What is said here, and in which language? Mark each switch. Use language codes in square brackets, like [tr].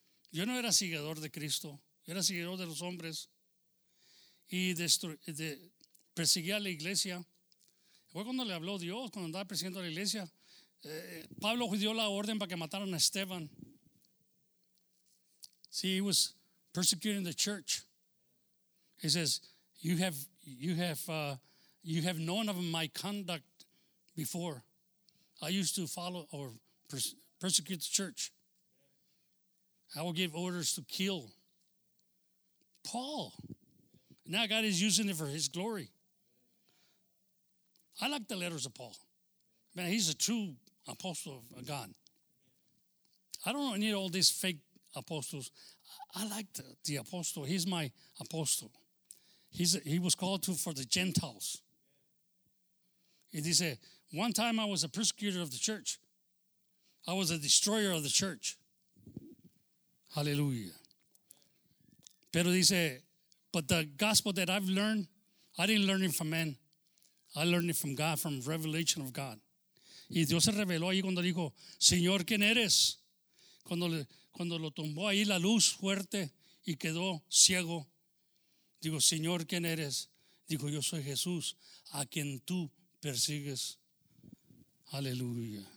[es] Yo no era seguidor de Cristo, yo era seguidor de los hombres y perseguía a la iglesia, Fue cuando le habló Dios, cuando andaba presidiendo la iglesia. Pablo dio la orden para que mataran a Esteban. [en] See, he was persecuting the church. He says, you have known of my conduct before. I used to follow or persecute the church. I will give orders to kill Paul. Now God is using it for his glory. I like the letters of Paul. Man, he's a true apostle of God. I don't need all these fake apostles. I like the apostle. He's my apostle. He was called to for the Gentiles. And he said, one time I was a persecutor of the church. I was a destroyer of the church. Hallelujah. [es] Pero dice, [en] but the gospel that I've learned, I didn't learn it from men. I learned it from God, from revelation of God. [es] Y Dios se reveló ahí cuando dijo, Señor, ¿quién eres? Cuando lo tumbó ahí la luz fuerte y quedó ciego. Digo, Señor, ¿quién eres? Dijo, yo soy Jesús, a quien tú persigues. Aleluya.